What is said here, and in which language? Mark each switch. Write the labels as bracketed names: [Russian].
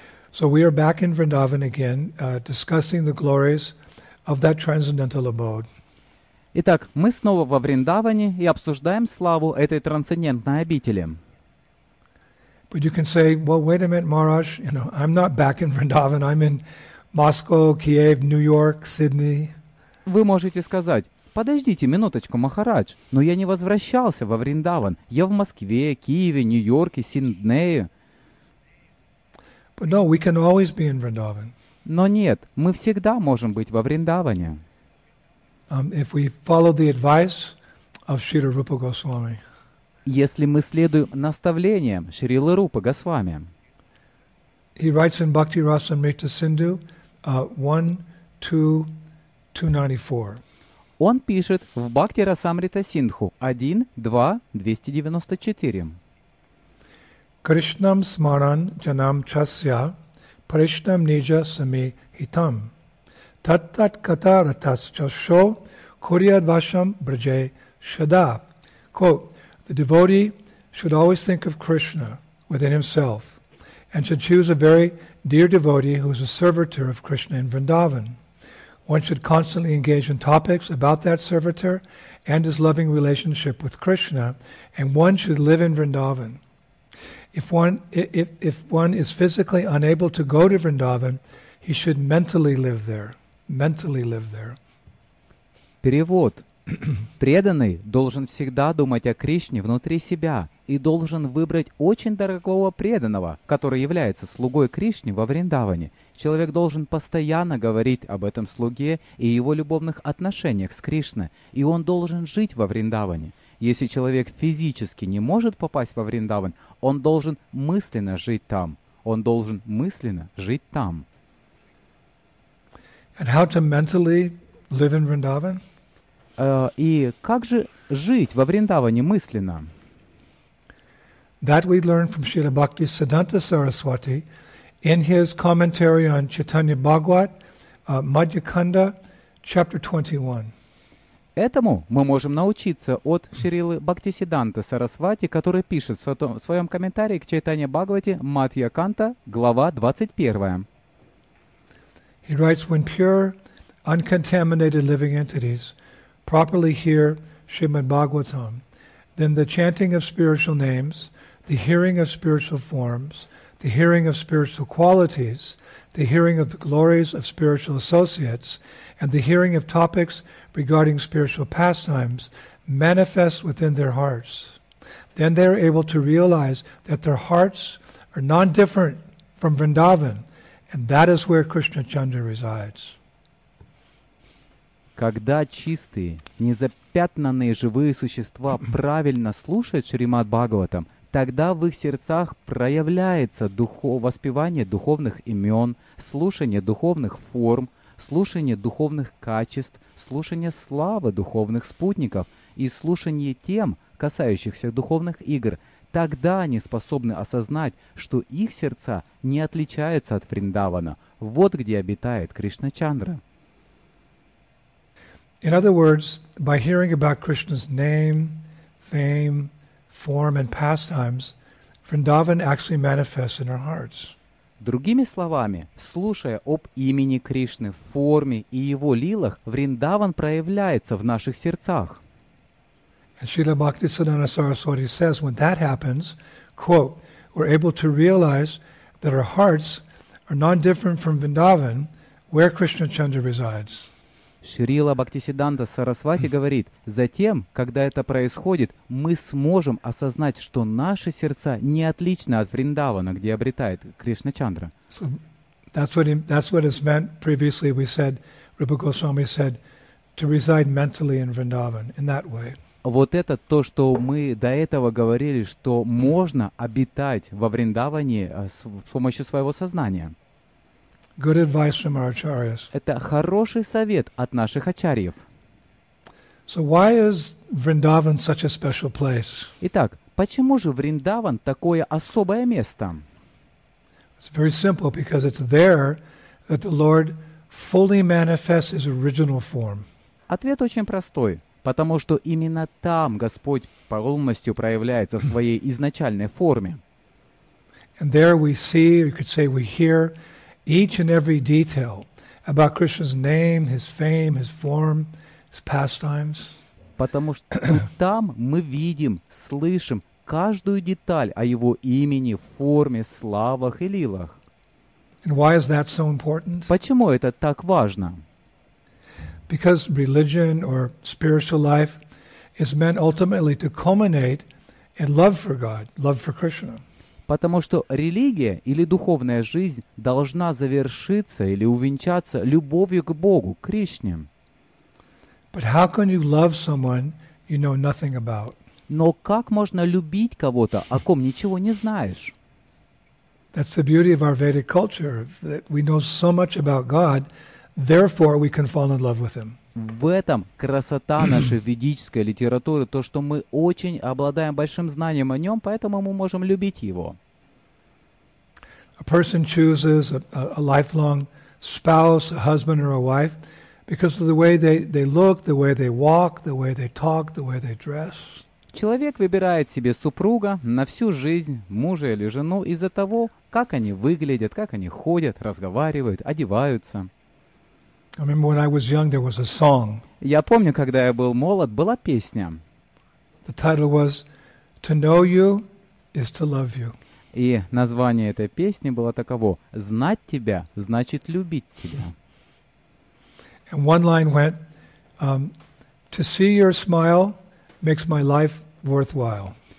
[English] So we are back in Vrindavan again, discussing the glories of that transcendental abode. [Russian] Итак, мы снова во Вриндаване и обсуждаем славу этой трансцендентной обители. [English] But you can say, well, wait a minute, Maharaj, you know, I'm not back in Vrindavan, I'm in Moscow, Kiev, New York, Sydney. [Russian] Вы можете сказать, подождите минуточку, Махарадж, но я не возвращался во Вриндаван, я в Москве, Киеве, Нью-Йорке, Сиднее. [English] But no, we can always be in Vrindavan. [Russian] Но нет, мы всегда можем быть во Вриндаване. [English] If we follow the advice of Śrīla Rūpa Gosvāmī. [Russian] Если мы следуем наставлениям Шрилы Рупы Госвами. [English] He writes in Bhakti Rasamrita Sindhu 1.2.294. [Russian] Он пишет в Бхакти Расамрита Синдху 1.2.294. [Sanskrit] Krishnam smaran janam chasya parishnam nija sami hitam tat tat kata ratas chasho kuryad vasham braje shada. [English] Quote, the devotee should always think of Krishna within himself and should choose a very dear devotee who is a servitor of Krishna in Vrindavan. One should constantly engage in topics about that servitor and his loving relationship with Krishna, and one should live in Vrindavan. If one is physically unable to go to Vrindavan, he should mentally live there. Mentally live there. [Russian] Перевод. Преданный должен всегда думать о Кришне внутри себя и должен выбрать очень дорогого преданного, который является слугой Кришны во Вриндаване. Человек должен постоянно говорить об этом слуге и его любовных отношениях с Кришной, и он должен жить во Вриндаване. Если человек физически не может попасть во Вриндаван, он должен мысленно жить там. Он должен мысленно жить там. [English] And how to mentally live in Vrindavan? [Russian] И как же жить во Вриндаване мысленно? [English] That we learn from Śrīla Bhakti Siddhanta Saraswati in his commentary on Chaitanya Bhagavat, Madhya Kanda, chapter 21. [Russian] Этому мы можем научиться от Шрилы Бхактисиддханты Сарасвати, который пишет в своем комментарии к Чайтанья Бхагавате Матья Канта, глава 21. [English] He writes, when pure, uncontaminated living entities properly hear Srimad Bhagavatam, then the chanting of spiritual names, the hearing of spiritual forms, the hearing of spiritual qualities, the hearing of the glories of spiritual associates, and the hearing of topics regarding spiritual pastimes manifests within their hearts. Then they are able to realize that their hearts are non-different from Vrindavan, and that is where Krishna Chandra resides. [Russian] Когда чистые, незапятнанные живые существа правильно слушают Шримад Бхагаватам, тогда в их сердцах проявляется воспевание духовных имен, слушание духовных форм, слушание духовных качеств, слушание славы духовных спутников и слушание тем, касающихся духовных игр, тогда они способны осознать, что их сердца не отличаются от Вриндавана. Вот где обитает Кришна Чандра. [English] In other words, by hearing about Krishna's name, fame, form and pastimes, Vrindavan actually manifests in our hearts. [Russian] Другими словами, слушая об имени Кришны, форме и его лилах, Вриндаван проявляется в наших сердцах. [English] And Śrīla Bhaktisiddhanta Saraswati says, when that happens, quote, we're able to realize that our hearts are non-different from Vrindavan, where Krishna Chandra resides. [Russian] Шрила Бхактисиддханта Сарасвати говорит, затем, когда это происходит, мы сможем осознать, что наши сердца не отличны от Вриндавана, где обретает Кришна Чандра. [English] So that's what is meant previously. We said, Rupa Goswami said, to reside mentally in Vrindavan, in that way. [Russian] Вот это то, что мы до этого говорили, что можно обитать во Вриндаване с помощью своего сознания. [English] Good advice from our acharyas. [Russian] Это хороший совет от наших ачарьев. [English] So why is Vrindavan such a special place? [Russian] Итак, почему же Вриндаван такое особое место? [English] It's very simple, because it's there that the Lord fully manifests His original form. [Russian] Ответ очень простой. Потому что именно там Господь полностью проявляется в своей изначальной форме. [English] And there we see, you could say we hear, each and every detail about Krishna's name, His fame, His form, His pastimes. [Russian] Потому что там мы видим, слышим каждую деталь о Его имени, форме, славах и лилах. [English] And why is that so important? [Russian] Почему это так важно? [English] Because religion or spiritual life is meant ultimately to culminate in love for God, love for Krishna. [Russian] Потому что религия или духовная жизнь должна завершиться или увенчаться любовью к Богу, к Кришне. [English] But how can you love someone you know nothing about? [Russian] Но как можно любить кого-то, о ком ничего не знаешь? [English] That's the beauty of our Vedic culture, that we know so much about God. Therefore, we can fall in love with him. [Russian] В этом красота нашей ведической литературы, то, что мы очень обладаем большим знанием о нем, поэтому мы можем любить его. [English] A person chooses a lifelong spouse, a husband or a wife, because of the way they look, the way they walk, the way they talk, the way they dress. [Russian] Человек выбирает себе супруга на всю жизнь, мужа или жену, из-за того, как они выглядят, как они ходят, разговаривают, одеваются. [English] I remember when I was young, there was a song. [Russian] Я помню, когда я был молод, была песня. [English] The title was "To Know You Is to Love You". [Russian] И название этой песни было таково: "Знать тебя значит любить тебя". [English] And one line went, "To see your smile makes my life worthwhile".